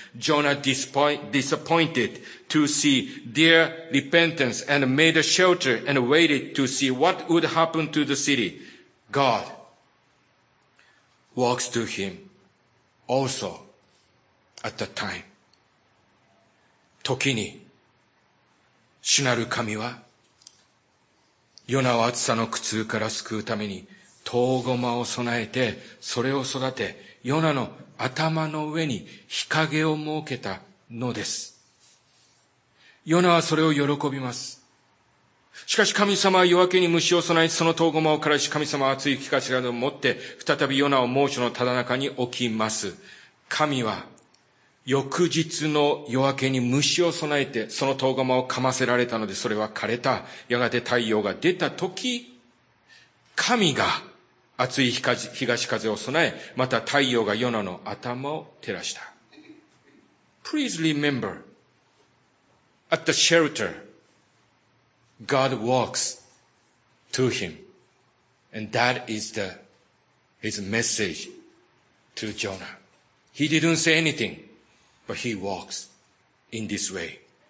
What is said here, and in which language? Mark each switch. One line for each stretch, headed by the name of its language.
English: Jonah disappointed to see their repentance and made a shelter and waited to see what would happen to the city. God walks to him also at that time.
Japanese: 時に、主なる神は、ヨナを暑さの苦痛から救うために、唐ごまを備えて、それを育て、ヨナの頭の上に日陰を設けたのです。ヨナはそれを喜びます。しかし神様は夜明けに虫を備え、その唐ごまを枯らし、神様は熱い木頭を持って、再びヨナを猛暑のただ中に置きます。神は、翌日の夜明けに虫を備えてその唐釜をかませられたのでそれは枯れた。やがて太陽が出た時、神が熱い東風を備え、また太陽がヨナの頭を照らした。
English: Please remember, at the shelter, God walks to him. And that is his message to Jonah. He didn't say anything.But he walks in this way.